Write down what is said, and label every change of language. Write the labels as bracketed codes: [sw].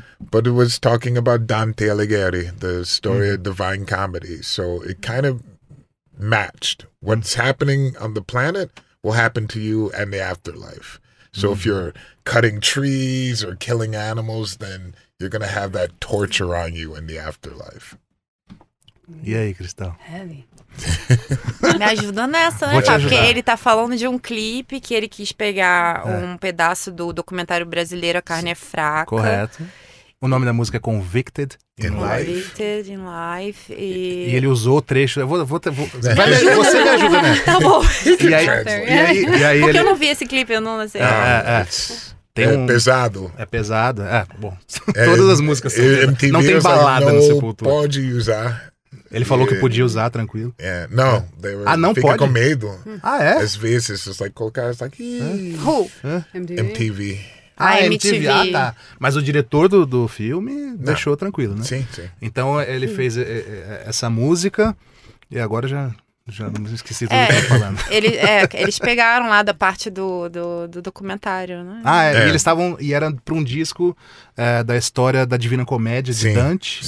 [en] But it was talking about Dante Alighieri, the story of Divine Comedy, so it kind of matched. What's happening on the planet will happen to you and the afterlife. So if you're cutting trees or killing animals, then you're gonna have that torture on you in the afterlife. [pt] E aí, Krystal? Heavy. Me ajuda nessa, né? Porque ele tá falando de um clipe que ele quis pegar um pedaço do documentário brasileiro A Carne é Fraca. Correto. O nome da música é Convicted in Life. Convicted in Life. E ele usou o trecho. Eu vou você me ajuda, né? Tá bom. E aí porque ele... eu não vi esse clipe, eu não sei. É pesado. É, bom. Todas as músicas são. MTV, não tem balada no Sepultura. Pode usar. Ele falou que podia usar, tranquilo. Não, não fica pode? Com medo. Ah, é? Às vezes, [en] it's like, [pt] colocar, [en] it's like, MTV. [pt] MTV. Ah, tá. Mas o diretor do filme deixou tranquilo, né? Sim, sim. Então, ele fez essa música e agora já não esqueci tudo que eu tava falando. Eles pegaram lá da parte do documentário, né? Ah, e eles estavam... E era para um disco da história da Divina Comédia de Dante.